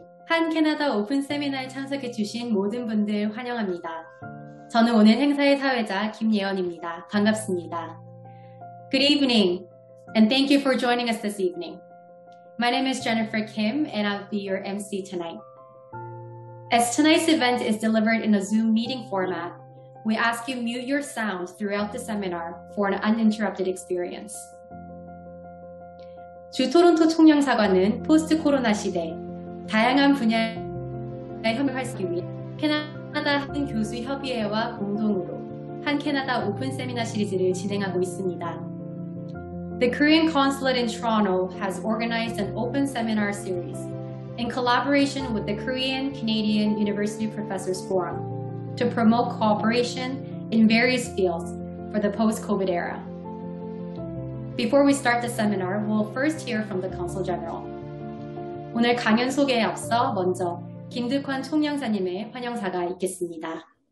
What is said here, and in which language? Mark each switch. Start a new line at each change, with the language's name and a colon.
Korean: 한 캐나다 오픈 세미나에 참석해 주신 모든 분들 환영합니다. 저는 오늘 행사의 사회자 김예원입니다. 반갑습니다.
English: Good evening, and thank you for joining us this evening. My name is Jennifer Kim, and I'll be your MC tonight. As tonight's event is delivered in a Zoom meeting format, we ask you mute your sound throughout the seminar for an uninterrupted experience.
Korean: 주 토론토 총영사관은 포스트 코로나 시대 다양한 분야의 협력을 하기 위해 캐나다 한 교수 협의회와 공동으로 한 캐나다 오픈 세미나 시리즈를 진행하고 있습니다.
English: The Korean Consulate in Toronto has organized an open seminar series in collaboration with the Korean Canadian University Professors Forum to promote cooperation in various fields for the post-COVID era. Before we start the seminar, we'll first hear from the Consul General.
Korean: 오늘 강연 소개에 앞서 먼저 김득환 총영사님의 환영사가 있겠습니다.